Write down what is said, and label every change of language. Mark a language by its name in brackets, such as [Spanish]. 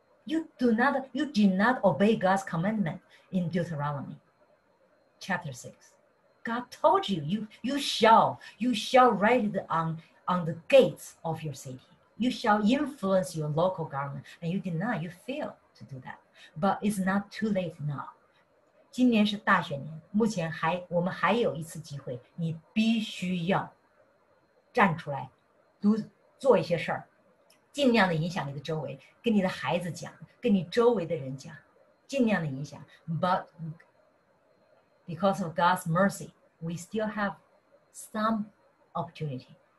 [English] You did not obey God's commandment in Deuteronomy chapter 6. God told you, you shall write it on the gates of your city. You shall influence your local government. And you did not, you failed to do that. But it's not too late now. [Chinese] 今年是大选年，目前我们还有一次机会，你必须要站出来做一些事儿。尽量的影响你的周围，跟你的孩子讲，跟你周围的人讲，尽量的影响。 [English] But because of God's mercy, we still have some opportunity.